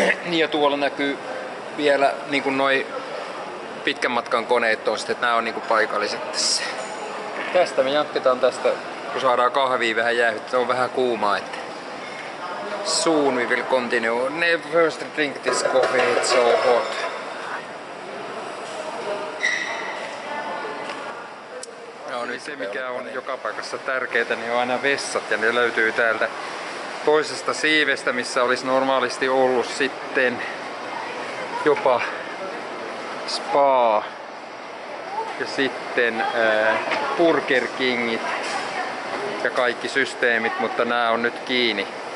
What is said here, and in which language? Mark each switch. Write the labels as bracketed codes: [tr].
[fi] Ja tuolla näkyy vielä niin kuin noi pitkän matkan koneet on sitten, että nämä on niin kuin paikalliset tässä. Tästä me jatketaan tästä, kun saadaan kahvia vähän jäähdyttää, on vähän kuumaa. Että. [en] Soon we will continue. Never first drink this coffee, it's so hot. [fi] Se mikä on joka paikassa tärkeetä, niin on aina vessat, ja ne löytyy täältä toisesta siivestä, missä olisi normaalisti ollut sitten jopa spa ja sitten Burger Kingit ja kaikki systeemit, mutta nämä on nyt kiinni.